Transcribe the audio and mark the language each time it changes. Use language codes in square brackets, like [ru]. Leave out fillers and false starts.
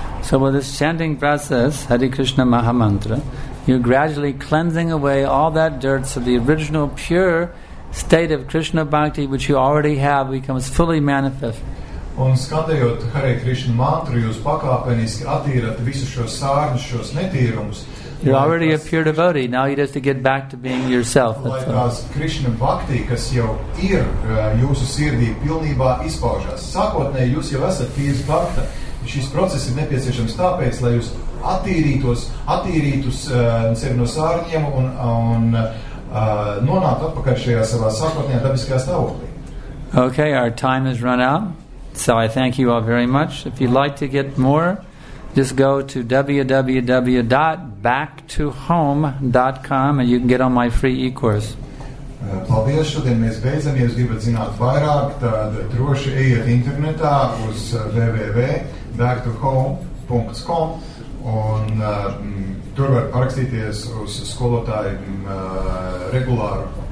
[en] So with this chanting process, Hare Krishna Maha Mantra, you're gradually cleansing away all that dirt so the original pure state of Krishna Bhakti, which you already have, becomes fully manifest. [lv] Un skatējot Hare Krishna Mantra, jūs pakāpeniski attīrat visu šo sārņu, šos netīrumus, [en] You're already a pure devotee. Now you have to get back to being yourself. [lv] Laikās Krishna bhakti, kas jau ir jūsu sirdī pilnībā izpaužās. Sākotnē jūs jau esat tīrs bhakta. Šis process ir nepieciešams tāpēc, lai jūs attīrītos sevi no sārņiem un nonāktu atpakaļ šajā savā sākotnējā dabiskajā stāvoklī. [en] Okay, our time has run out. So I thank you all very much. If you'd like to get more, just go to www.backtohome.com and you can get on my free e-course. [lv] Paldies, šodien mēs beidzam. Ja jūs gribat zināt vairāk, tad droši ejiet internetā uz www.backtohome.com un tur var parakstīties uz skolotāju regulāru